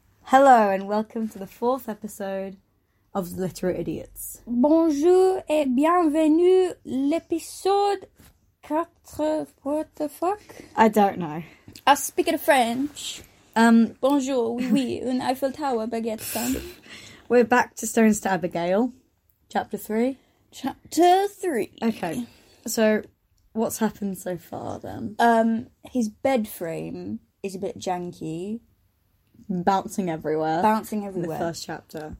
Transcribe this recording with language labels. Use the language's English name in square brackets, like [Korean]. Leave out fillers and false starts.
[English] Hello and welcome to the fourth episode of Literate Idiots. [French] Bonjour et bienvenue l'épisode 4, [English] what the fuck? I don't know. I speak the French. [French] Bonjour, oui oui, une Eiffel Tower baguette son. [English] We're back to Stones to Abigail, chapter 3. Chapter 3. Okay, so what's happened so far then? His bed frame is a bit janky. Bouncing everywhere. The first chapter.